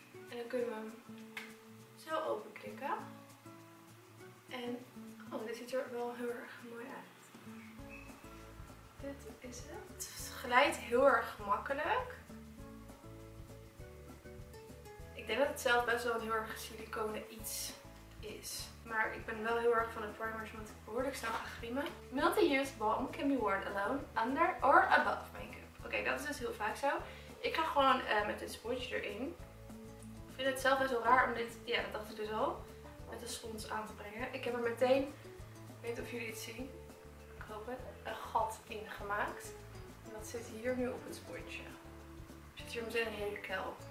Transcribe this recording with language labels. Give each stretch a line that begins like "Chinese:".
Dutch: En dan kunnen we hem zo openklikken. En, oh, dit ziet er wel heel erg mooi uit. Dit is het. Het glijdt heel erg makkelijk. Ik denk dat het zelf best wel een heel erg siliconen iets is. Maar ik ben wel heel erg van de primers, want ik behoorlijk snel ga glimmen.
English: Multi-use balm can be worn alone, under or above make-up.
Dutch: Oké, dat is dus heel vaak zo. Ik ga gewoon met dit sponsje erin. Ik vind het zelf best wel raar om dit, ja dat dacht ik dus al, met de spons aan te brengen. Ik heb er meteen, ik weet of jullie het zien, ik hoop het, een gat in gemaakt. En dat zit hier nu op het sponsje. Er zit hier meteen een hele kuil.